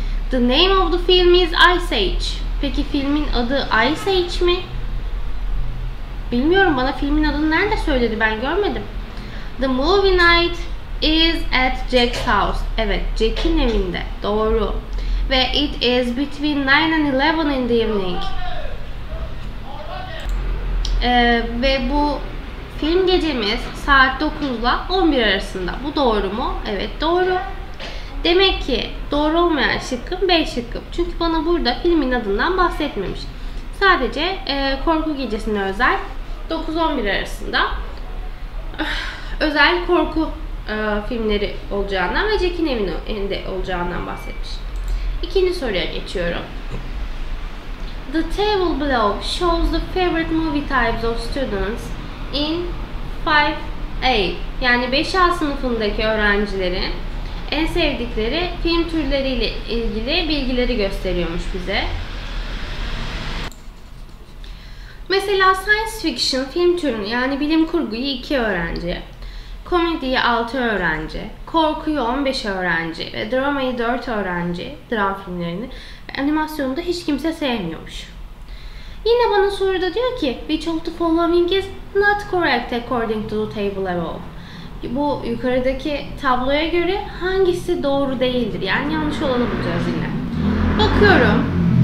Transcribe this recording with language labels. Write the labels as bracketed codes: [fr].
[en] The name of the film is Ice Age. [tr] Peki filmin adı Ice Age mi? Bilmiyorum, bana filmin adını nerede söyledi, ben görmedim. [en] The movie night is at Jack's house. [tr] Evet, Jack'in evinde. Doğru. [en] Ve it is between 9 and 11 in the evening. [tr] Ve bu film gecemiz saat 9 ile 11 arasında. Bu doğru mu? Evet, doğru. Demek ki doğru olmayan şıkkım B şıkkım. Çünkü bana burada filmin adından bahsetmemiş. Sadece korku gecesine özel 9-11 arasında özel korku filmleri olacağından ve Jack'in evinde olacağından bahsetmiş. İkinci soruya geçiyorum. [en] The table below shows the favorite movie types of students in 5A. [tr] Yani 5A sınıfındaki öğrencilerin en sevdikleri film türleriyle ilgili bilgileri gösteriyormuş bize. Mesela science fiction film türünü, yani bilim kurguyu 2 öğrenci, komediyi 6 öğrenci, korkuyu 15 öğrenci ve dramayı 4 öğrenci, dram filmlerini, animasyonu da hiç kimse sevmiyormuş. Yine bana soruda diyor ki, [en] which of the following is not correct according to the table above? [tr] Bu yukarıdaki tabloya göre hangisi doğru değildir? Yani yanlış olanı bulacağız yine. Bakıyorum.